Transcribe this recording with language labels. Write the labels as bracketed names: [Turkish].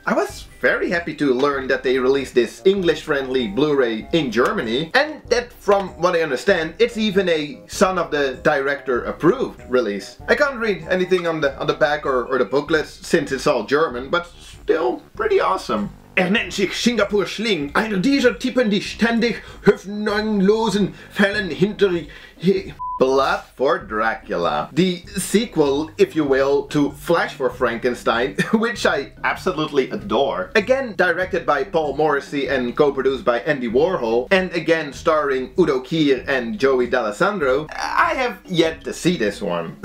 [English] I was very happy to learn that they released this English-friendly Blu-ray in Germany, and that from what I understand, it's even a Son of the Director approved release. I can't read anything on the back or the booklet since it's all German, but still pretty awesome. [German] Er nennt sich Singapore Sling, einer dieser Typen, die ständig hoffnungslosen Fällen hinter... [English] Blood for Dracula. The sequel, if you will, to Flesh for Frankenstein, which I absolutely adore. Again, directed by Paul Morrissey and co-produced by Andy Warhol, and again starring Udo Kier and Joey D'Alessandro, I have yet to see this one.